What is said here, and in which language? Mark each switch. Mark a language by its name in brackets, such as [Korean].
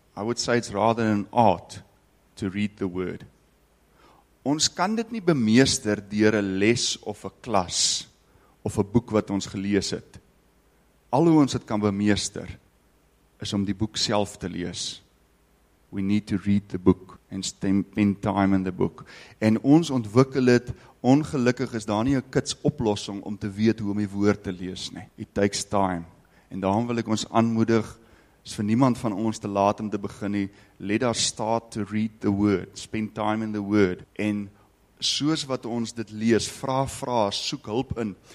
[English] I would say it's rather an art to read the word. [Afrikaans] Ons kan dit nie bemeester deur 'n les of 'n klas of 'n boek wat ons gelees het. Al hoe ons dit kan bemeester, is om die boek self te lees. [English] We need to read the book and spend time in the book. [Afrikaans] En ons ontwikkel het, ongelukkig is daar nie 'n kits oplossing om te weet hoe om die woord te lees nie. [English] It takes time. [Afrikaans] En daarom wil ek ons aanmoedig, is vir niemand van ons te laat om te begin nie, [English] let us start to read the word, spend time in the word. [Afrikaans] En soos wat ons dit lees, vraag, soek hulp in.